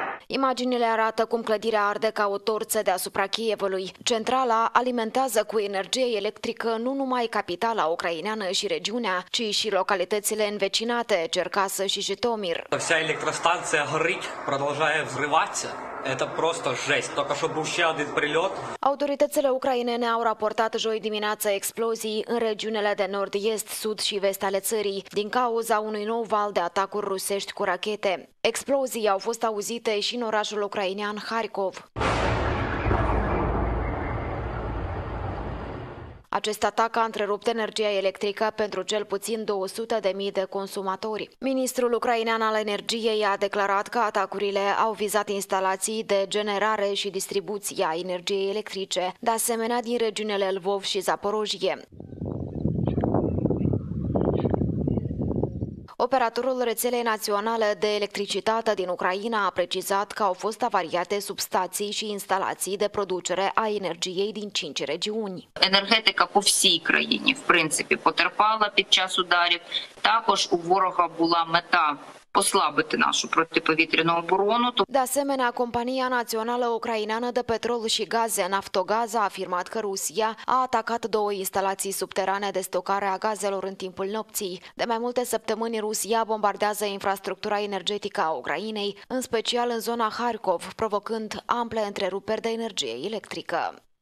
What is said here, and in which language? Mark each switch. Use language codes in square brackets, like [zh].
[ro] Imaginile arată cum clădirea arde ca o torță deasupra Kievului. Centrala alimentează cu energie electrică nu numai capitala ucraineană și regiunea, ci și localitățile învecinate, Cherkasy și Jitomir. [uk] Вся електростанція горить, продовжує взриватися. [ru] Это просто жесть. [uk] Только що був ще один прильот. [ro] Autoritățile ucrainene au raportat joi dimineață explozii în regiunile de nord-est, sud și vest ale țării, din cauza unui nou val de atacuri rusești cu rachete. Explozii au fost auzite și în orașul ucrainean Kharkov. Acest atac a întrerupt energia electrică pentru cel puțin 200.000 de consumatori. Ministrul ucrainean al energiei a declarat că atacurile au vizat instalații de generare și distribuție a energiei electrice, de asemenea din regiunile Lvov și Zaporojie. Operatorul rețelei naționale de electricitate din Ucraina a precizat că au fost avariate substații și instalații de producere a energiei din 5 regiuni. [uk] Energetica po всій країні, в принципі, потерпала під час ударів. Також у ворога була мета послабити нашу протиповітряну оборону. [ro] De asemenea, compania națională ucraineană de petrol și gaze Naftogaz a afirmat că Rusia a atacat 2 instalații subterane de stocare a gazelor în timpul nopții. De mai multe săptămâni, Rusia bombardează infrastructura energetică a Ucrainei, în special în zona Kharkov, provocând ample întreruperi de energie electrică.